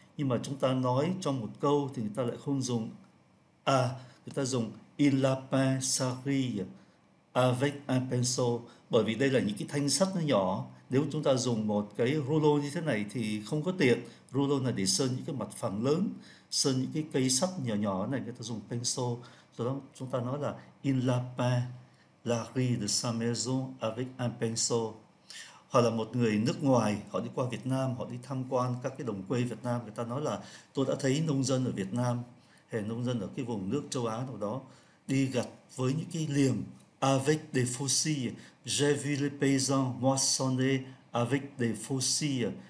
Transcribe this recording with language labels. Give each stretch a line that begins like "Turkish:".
Vietnamese: Nhưng mà chúng ta nói trong một câu thì người ta lại không dùng a, người ta dùng
French: il a peint sa rue avec un pinceau,
Vietnamese: bởi vì đây là những cái thanh sắt nó nhỏ. Nếu chúng ta dùng một cái rulo như thế này thì không có tiện. Rulo là để sơn những cái mặt phẳng lớn, sơn những cái cây sắt nhỏ nhỏ này, người ta dùng pinceau. Rồi đó chúng ta nói là
French: il a peint la rue de sa maison avec un pinceau.
Vietnamese: Hoặc là một người nước ngoài họ đi qua Việt Nam, họ đi tham quan các cái đồng quê Việt Nam, người ta nói là tôi đã thấy nông dân ở Việt Nam hay nông dân ở cái vùng nước châu Á nào đó đi gặt với những cái liềm
French: avec des fusils, j'ai vu les paysans moissonner avec des fusils.